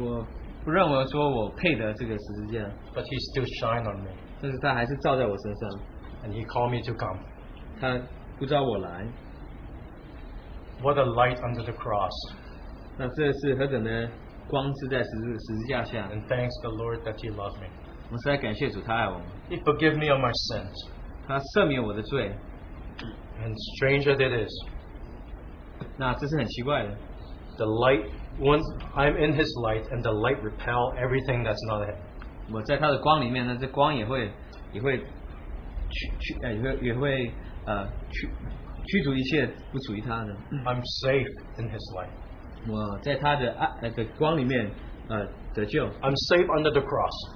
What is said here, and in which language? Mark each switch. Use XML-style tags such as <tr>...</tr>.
<zh>我不认为说我配得这个十字架,</zh> <en>but he still shined on me.</en> <zh>但是他还是照在我身上,</zh> <en>and he called me to come.</en> <zh>他呼召我来,</zh> <en>what a light under the cross.</en> <zh>那这是何等的光是在十字架下,</zh> <en>and thanks the Lord that he loved me.</en> <zh>我实在感谢主他爱我们,</zh> <en>he forgave me of my sins.</en> <zh>他赦免我的罪,</zh> <en>and stranger it is,</en> <zh>那这是很奇怪的,</zh> <en>the light, once I'm in his light, and the light repel everything that's not him.</en> <zh>我在他的光里面, 那这光也会驱逐一切不属于他的,</zh> <en>I'm safe in his light.</en> <zh>我在他的光里面, 得救,</zh> <en>I'm safe under the cross.</en>